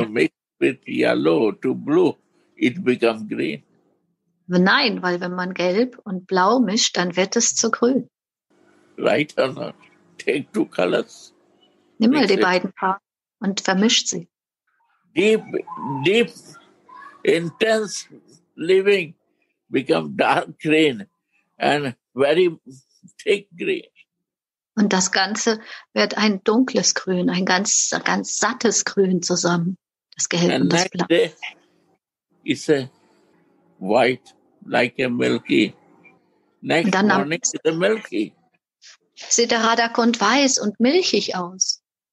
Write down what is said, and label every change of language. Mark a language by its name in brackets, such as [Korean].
[English] You mix with yellow to blue, it becomes green. [German] Nein, weil wenn man gelb und blau mischt, dann wird es zu grün. [English] Right or not? Take two colors. [German] Nimm mal die beiden Farben und vermischt sie. [English] Deep, intense living become dark green and very thick green. [German] Und das Ganze wird ein dunkles Grün, ein ganz, ganz sattes Grün zusammen. Das Gelb und das Blau. [English] Is a white like a milky. Next morning is a milky. [German] Sieht der Radha Kund weiß und milchig aus.